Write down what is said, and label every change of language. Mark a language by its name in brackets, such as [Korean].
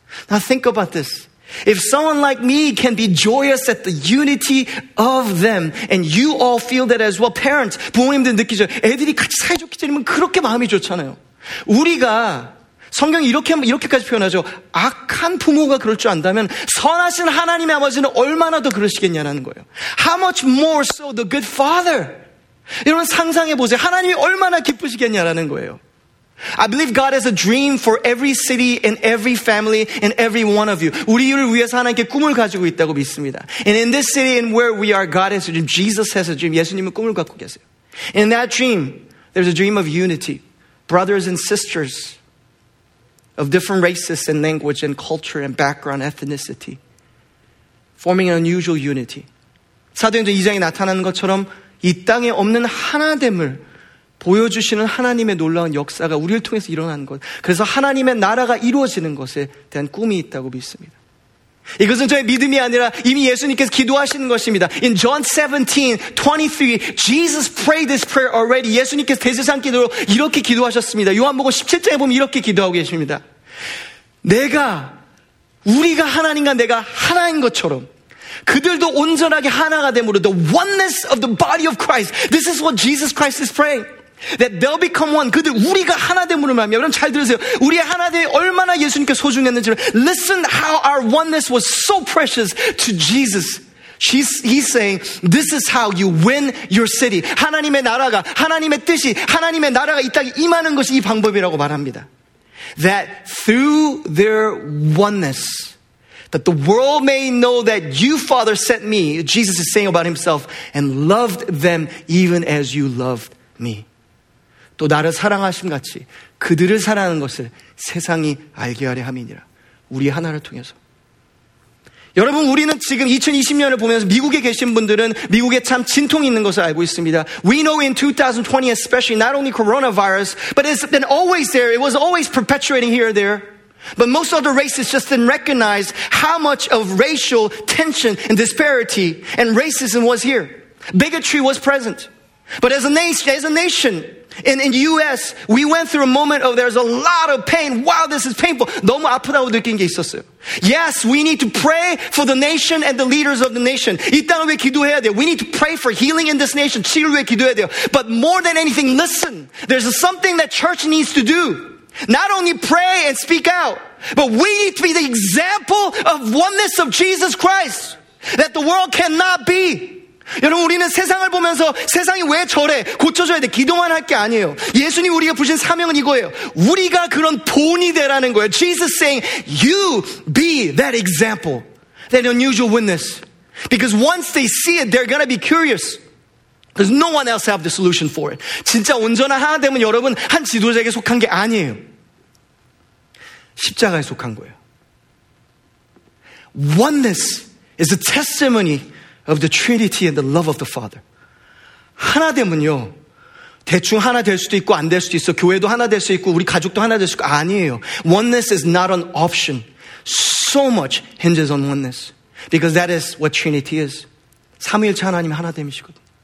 [English] Now think about this. If someone like me can be joyous at the unity of them and you all feel that as well, parents, [Korean] 부모님들 느끼죠. 애들이 같이 사이좋게 지내면 그렇게 마음이 좋잖아요. 우리가 성경이 이렇게까지 표현하죠. 악한 부모가 그럴 줄 안다면 선하신 하나님의 아버지는 얼마나 더 그러시겠냐는 거예요. [English] How much more so the good father? [Korean] 여러분 상상해 보세요. 하나님이 얼마나 기쁘시겠냐라는 거예요. [English] I believe God has a dream for every city and every family and every one of you. [Korean] 우리를 위해서 하나님께 꿈을 가지고 있다고 믿습니다. [English] And in this city and where we are, God has a dream. Jesus has a dream. [Korean] 예수님은 꿈을 갖고 계세요. [English] In that dream, there's a dream of unity. Brothers and sisters of different races and language and culture and background, ethnicity, forming an unusual unity. [Korean] 사도행전 2장에 나타나는 것처럼 이 땅에 없는 하나됨을 보여주시는 하나님의 놀라운 역사가 우리를 통해서 일어난 것. 그래서 하나님의 나라가 이루어지는 것에 대한 꿈이 있다고 믿습니다. 이것은 저의 믿음이 아니라 이미 예수님께서 기도하시는 것입니다. [English] In John 17, 23, Jesus prayed this prayer already. [Korean] 예수님께서 대제사장 기도로 이렇게 기도하셨습니다. 요한복음 17장에 보면 이렇게 기도하고 계십니다. 내가, 우리가 하나님과 내가 하나인 것처럼 그들도 온전하게 하나가 됨으로 [English] the oneness of the body of Christ. This is what Jesus Christ is praying. That they'll become one. [Korean] 그들 우리가 하나 됨으로 말합니다. 여러분 잘 들으세요. 우리의 하나됨이 얼마나 예수님께 소중했는지를. [English] Listen how our oneness was so precious to Jesus. He's saying, this is how you win your city. [Korean] 하나님의 나라가, 하나님의 뜻이, 하나님의 나라가 이 땅에 임하는 것이 이 방법이라고 말합니다. [English] That through their oneness, that the world may know that you, Father, sent me, Jesus is saying about himself, and loved them even as you loved me. [Korean] 또 나를 사랑하심 같이 그들을 사랑하는 것을 세상이 알게 하려 함이니라. 우리 하나를 통해서. 여러분 우리는 지금 2020년을 보면서 미국에 계신 분들은 미국에 참 진통이 있는 것을 알고 있습니다. [English] We know in 2020 especially not only coronavirus, but it's been always there. It was always perpetuating here or there. But most other races just didn't recognize how much of racial tension and disparity and racism was here. Bigotry was present. But as a nation, in the U.S., we went through a moment of there's a lot of pain. Wow, this is painful. [Korean] 너무 아프다고 느낀 게 있었어요. [English] Yes, we need to pray for the nation and the leaders of the nation. [Korean] 이 땅을 위해 기도해야 돼요. [English] We need to pray for healing in this nation. [Korean] 치료를 위해 기도해야 돼요. [English] But more than anything, listen. There's something that church needs to do. Not only pray and speak out, but we need to be the example of oneness of Jesus Christ that the world cannot be. [Korean] 여러분 우리는 세상을 보면서 세상이 왜 저래 고쳐줘야 돼 기도만 할 게 아니에요. 예수님 우리가 부르신 사명은 이거예요. 우리가 그런 본이 되라는 거예요. [English] Jesus saying you be that example, that unusual witness. Because once they see it, they're going to be curious. Because no one else have the solution for it. [Korean] 진짜 온전한 하나됨은 여러분 한 지도자에게 속한 게 아니에요. 십자가에 속한 거예요. [English] Oneness is a testimony of the Trinity and the love of the Father. [Korean] 하나됨은요 대충 하나 될 수도 있고 안 될 수도 있어. 교회도 하나 될 수 있고 우리 가족도 하나 될 수 있고 아니에요. [English] Oneness is not an option. So much hinges on oneness. Because that is what Trinity is. [Korean] 삼위일체 하나님 하나됨이시거든.